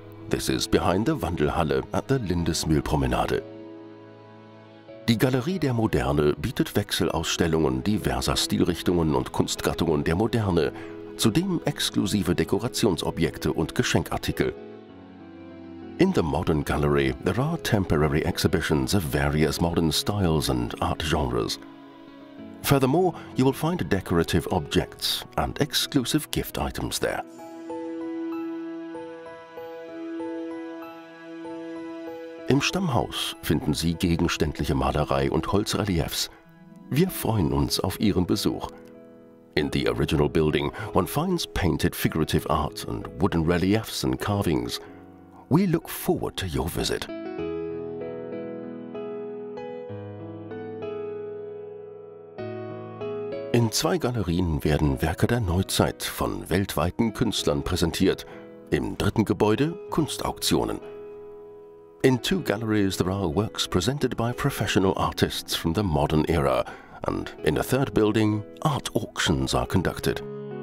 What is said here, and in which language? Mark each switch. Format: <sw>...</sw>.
<en>This is behind the Wandelhalle at the Lindesmühlpromenade.</en> <de>Die Galerie der Moderne bietet Wechselausstellungen diverser Stilrichtungen und Kunstgattungen der Moderne, zudem exklusive Dekorationsobjekte und Geschenkartikel.</de> <en>In the Modern Gallery there are temporary exhibitions of various modern styles and art genres. Furthermore, you will find decorative objects and exclusive gift items there.</en> <de>Im Stammhaus finden Sie gegenständliche Malerei und Holzreliefs. Wir freuen uns auf Ihren Besuch.</de> <en>In the original building, one finds painted figurative art and wooden reliefs and carvings. We look forward to your visit.</en> <de>In zwei Galerien werden Werke der Neuzeit von weltweiten Künstlern präsentiert. Im dritten Gebäude Kunstauktionen.</de> <en>In two galleries there are works presented by professional artists from the modern era. And in a third building, art auctions are conducted.</en>